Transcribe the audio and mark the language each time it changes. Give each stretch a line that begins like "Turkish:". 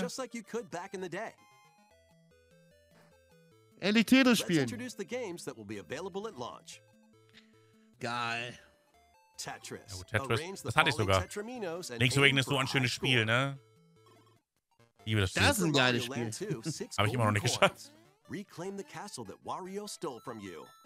English: Just like you could back in the day.
German: Endlich Titel spielen.
English: Let's introduce the games that will be available at launch.
German: Geil. Tetris. Das hatte ich sogar. Link's Awakening ist so ein schönes Spiel, ne? Liebe das Spiel. Das ist ein geiles Spiel. Habe ich immer noch nicht geschafft.
English: Reclaim the castle that Wario stole from you.